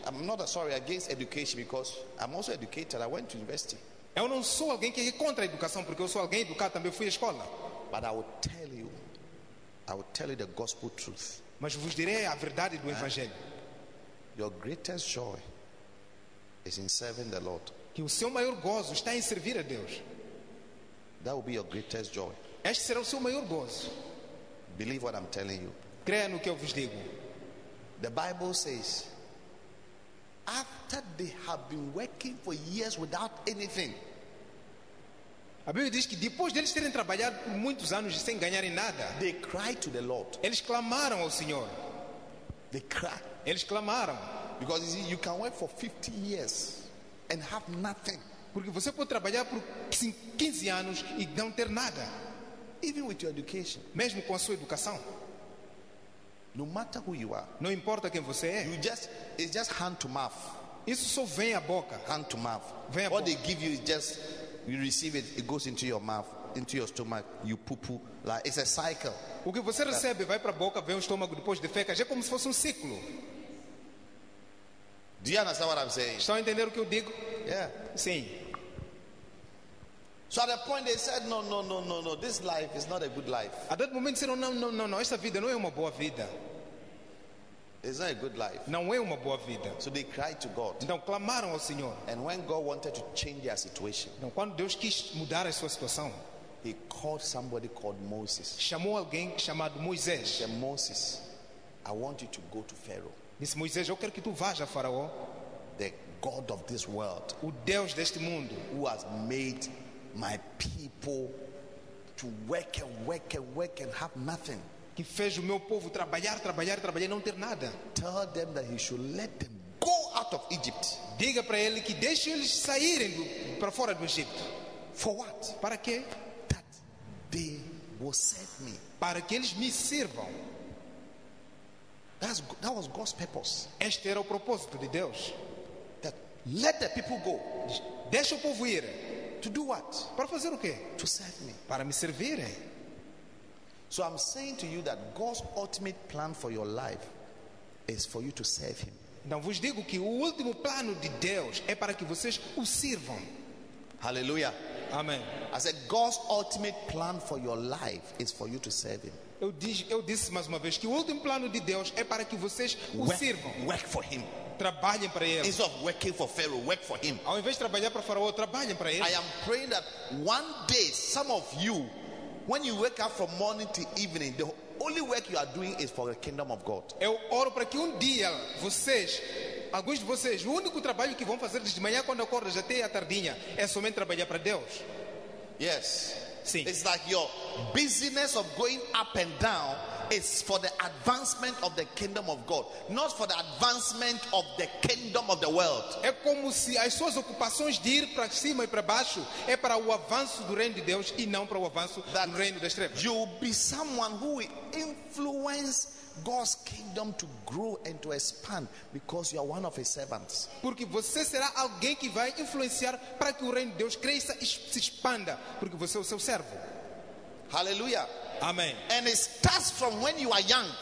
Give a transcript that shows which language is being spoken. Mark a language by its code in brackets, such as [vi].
[en] I'm not sorry against education because I'm also educated. I went to university. [pt] Eu não sou alguém que é contra a educação porque eu sou alguém educado, também fui à escola. [en] But I will tell you the gospel truth. [pt] Mas vos direi a verdade do evangelho. [en] Your greatest joy is in serving the Lord. [pt] Que o seu maior gozo está em servir a Deus. [en] That will be your greatest joy. [pt] Este será o seu maior gozo. [en] Believe what I'm telling you. [pt] Creia no que eu vos digo. [en] The Bible says, after they have been working for years without anything. [pt] A Bíblia diz que depois deles terem trabalhado por muitos anos sem ganharem nada, [en] they cried to the Lord. [pt] Eles clamaram ao Senhor. [en] They cried. [pt] Eles clamaram. [en] Because you see, you can work for 50 years and have nothing. [pt] Porque você pode trabalhar por 15 anos e não ter nada. [en] Even with your education. [pt] Mesmo com a sua educação. [en] No matter who you are, [pt] não importa quem você é. [en] It's just hand to mouth. [pt] Isso só vem à boca. [en] Hand to mouth. [pt] Vem à [en] boca. What they give you is just you receive it. It goes into your mouth, into your stomach. You poo. Like it's a cycle. [pt] O que você recebe vai para a boca, vem ao estômago, depois defeca. É como se fosse ciclo. [en] Do you understand what I'm saying? [pt] Estão a entender o que eu digo? [en] Yeah. [pt] Sim. [en] So at a point they said, no, this life is not a good life. At that moment they said, no, [pt] esta vida não é uma boa vida. [en] It's not a good life. [pt] Não é uma boa vida. [en] So they cried to God. [pt] Então clamaram ao Senhor. [en] And when God wanted to change their situation, [pt] então, quando Deus quis mudar a sua situação, [en] He called somebody called Moses. [pt] Chamou alguém chamado Moisés. [en] He said, Moses, I want you to go to Pharaoh. [pt] Disse, Moisés, eu quero que tu vás a Faraó. [en] The God of this world. [pt] O Deus deste mundo. [en] Who has made my people to work and have nothing. [pt] Que fez o meu povo trabalhar e não ter nada. [en] Tell them that he should let them go out of Egypt. [pt] Diga para ele que deixe eles saírem para fora do Egito. [en] For what? [pt] Para quê? [en] That they will serve me. [pt] Para que eles me sirvam. [en] That was God's purpose. [pt] Este era o propósito de Deus. [en] That let the people go. [pt] Deixa o povo ir. [en] To do what? [pt] Para fazer o quê? [en] To serve me. [pt] Para me servir. [en] So I'm saying to you that God's ultimate plan for your life is for you to serve him. [pt] Então vos digo que o último plano de Deus é para que vocês o sirvam. Aleluia. Amém. [en] I said God's ultimate plan for your life is for you to serve him. [pt] Eu disse mais uma vez que o último plano de Deus é para que vocês o sirvam. [en] Work for him. [pt] Trabalhem para ele. [en] Instead of working for Pharaoh, work for him. [pt] Ao invés de trabalhar para Faraó, trabalhem para ele. [en] I am praying that one day some of you, when you wake up from morning to evening, the only work you are doing is for the kingdom of God. [pt] Eu oro para que dia vocês, alguns de vocês, o único trabalho que vão fazer desde manhã quando acordam até a tardinha é somente trabalhar para Deus. [en] Yes. [pt] Sim. [en] It's like your business of going up and down is for the advancement of the kingdom of God, not for the advancement of the kingdom of the world. [pt] É como se as suas ocupações de ir para cima e para baixo é para o avanço do reino de Deus e não para o avanço [en] that [pt] do reino das trevas. [en] You will be someone who will influence God's kingdom to grow and to expand because you are one of his servants. [pt] Porque você será alguém que vai influenciar para que o reino de Deus cresça e se expanda, porque você é o seu servo. [en] Hallelujah. [pt] Amém. [en] And it starts from when you are young.